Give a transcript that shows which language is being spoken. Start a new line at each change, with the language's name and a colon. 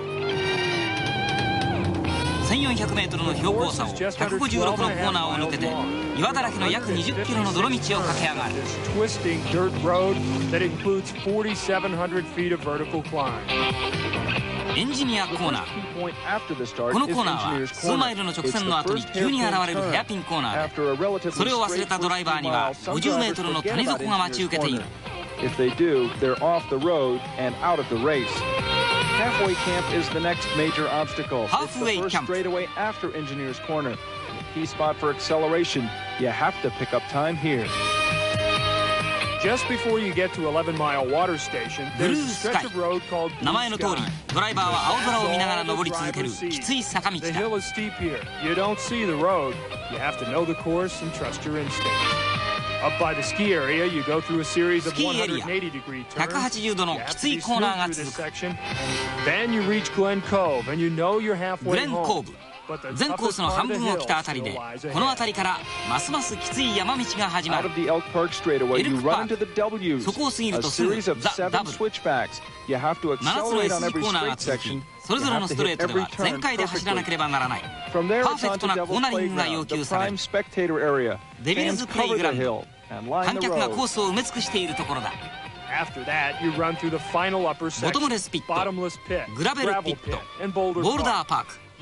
Japanese: 1400メートルの標高差を156のコーナーを抜けて、岩だらけの約20キロの泥道を駆け上がる。エンジニアコーナー。このコーナーは数マイルの直線の後に急に現れるヘアピンコーナーで、それを忘れたドライバーには50メートルの谷底が待ち受けている。
English: If they do, they're off the road and out of the race. Halfway camp is the next major obstacle. Halfway camp. Straightaway after engineer's corner, key spot for acceleration. You have to pick up time here. Just before you get to 11 mile water station, there's a stretch of road called Blue Sky.
Japanese: 名前の通り、ドライバーは青空を見ながら登り続けるきつい坂道だ。
English: The hill is steep here. You don't see the road. You have to know the course and trust your instinct. Up by the ski area, you go through a series of 180 degree turns. You have to pass through the section. Then you reach Glen Cove, and you know you're halfway home. But the toughest part of the hill. Out of the Elk Park straightaway, you run into the W's. A series of seven switchbacks. You have to accelerate on every straight section.
Japanese: それぞれのストレートでは全開で走らなければならない。パーフェクトなコーナリングが要求される。デビルズプレイグラウンド、観客がコースを埋め尽くしているところだ。ボトムレスピット、グラベルピット、ボルダーパーク。